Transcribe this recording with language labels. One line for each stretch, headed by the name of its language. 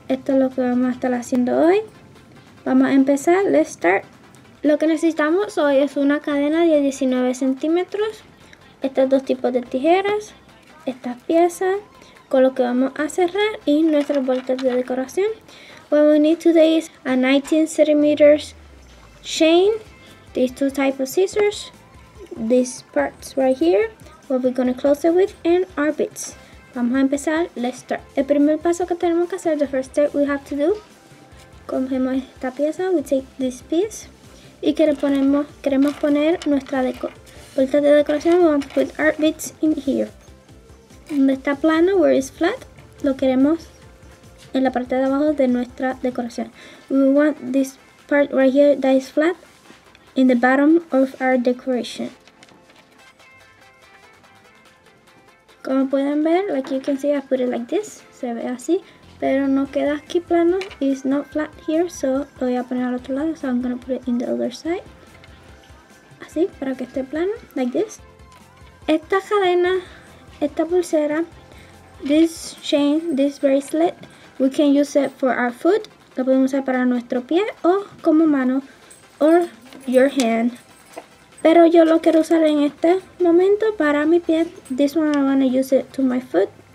Spanish: Esto es lo que vamos a estar haciendo hoy. Vamos a empezar,
English: let's start.
Spanish: Lo que necesitamos hoy es una cadena de 19 centímetros, estos dos tipos de tijeras, estas piezas, con lo que vamos a cerrar y nuestras bolitas de decoración.
English: What we need today is a 19 centimeters chain, these two types of scissors, these parts right here, what we're going to close it with, and our bits.
Spanish: Vamos a empezar,
English: let's start.
Spanish: El primer paso que tenemos que hacer,
English: the first step we have to do,
Spanish: cogemos esta pieza,
English: we take this piece,
Spanish: y queremos poner nuestra bolita de decoración,
English: we want to put our bits in here.
Spanish: Donde está plano,
English: where it's flat,
Spanish: lo queremos en la parte de abajo de nuestra decoración.
English: We want this part right here that is flat in the bottom of our decoration.
Spanish: Como pueden ver,
English: like you can see, I put it like this.
Spanish: Se ve así, pero no queda aquí plano.
English: It's not flat here, so
Spanish: lo voy a poner al otro lado.
English: So I'm gonna put it in the other side.
Spanish: Así, para que esté plano,
English: like this.
Spanish: Esta cadena, esta pulsera,
English: this chain, this bracelet, we can use it for our foot.
Spanish: Lo podemos usar para nuestro pie o como mano,
English: or your hand.
Spanish: Pero yo lo quiero usar en este momento para mi pie.
English: This one I want to use it to my foot.